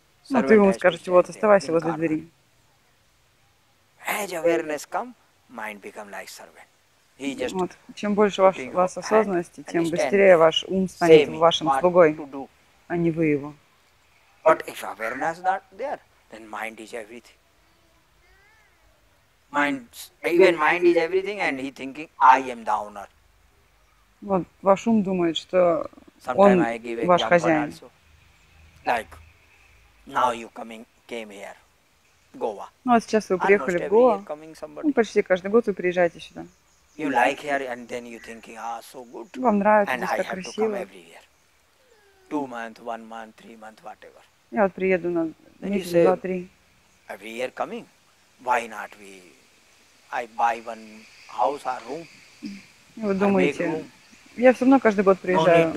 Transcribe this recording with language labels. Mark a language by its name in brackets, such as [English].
[Russian] Ну, ты ему скажешь, вот, оставайся возле двери. [English] As awareness come, mind become like servant. He just [Russian] вот, чем больше вас осознанности, тем быстрее ваш ум станет вашим слугой, а не вы его. [English] But if awareness not there, then mind is everything. Mind, even mind is everything, and he thinking, I am the owner. [Russian] Вот, ваш ум думает, что он ваш хозяин. [English] Like, now you coming came here, Goa. [Russian] Ну, вот сейчас вы приехали в Гоа. Ну, почти каждый год вы приезжаете сюда. [English] You like here, and then you thinking, ah, so good. [Russian] Вам нравится, здесь так красиво. [English] And I have to come every year. 2 month, 1 month, 3 month, whatever. [Russian] Я вот приеду на месяц, два, три. [English] Every year coming. Why not we? I buy one house or room. [Russian] И вы думаете? Я все равно каждый год приезжаю.